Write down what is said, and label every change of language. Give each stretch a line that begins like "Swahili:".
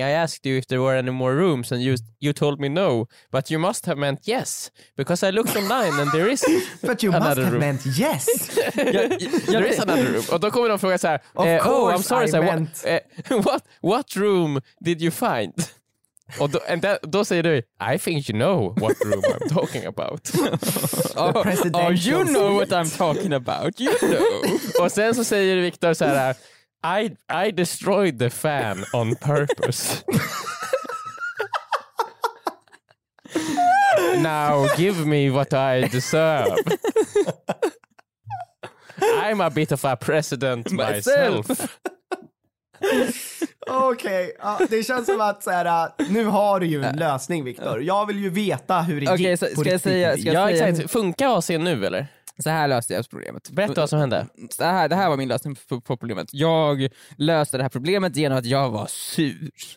English: I asked you if there were any more rooms and you told me no, but you must have meant yes because I looked online and there is but you must have room. Meant yes. There is another room.
Swedish: Och då kommer de fråga så här:
English: oh, I'm sorry, what room did you find?
Swedish: Och då säger du,
English: I think you know what room I'm talking about. Oh, you know what I'm talking about. You know.
Swedish: Och sen så säger Victor så här,
English: I destroyed the fan on purpose. Now give me what I deserve. I'm a bit of a president myself.
Swedish: Okej, okay. Det känns som att såhär, nu har du ju en lösning, Victor. Jag vill ju veta hur det okay, gick så, ska på jag säga, ska jag säga, exakt. Funkar AC nu eller? Så här löste jag problemet. Berätta vad som hände. Det här var min lösning på problemet. Jag löste det här problemet genom att jag var sur.